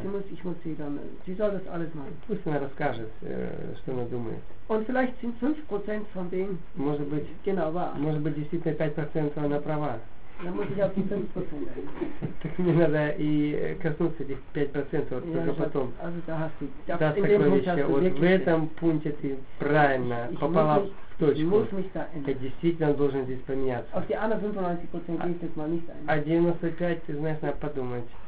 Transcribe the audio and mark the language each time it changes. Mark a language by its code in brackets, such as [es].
[de] Ich muss sie dann, sie soll das alles machen. [ru] Пусть она расскажет, что она думает. [de] Und vielleicht sind 5% von denen, [ru] может быть, [de] genau wahr. [ru] Может быть, действительно 5% она права. [de] Dann muss ich auf die 5% ein. [ru] Так мне надо и коснуться этих 5%, вот только потом. [de] Also da hast du, das in dem Punkt hast du wirklich. [ru] Вот в этом пункте ты правильно попала. Ты действительно должен здесь поменяться. [de] Auf die anderen 95% gehe ich jetzt mal nicht ein. [ru] А 95, ты знаешь, надо подумать.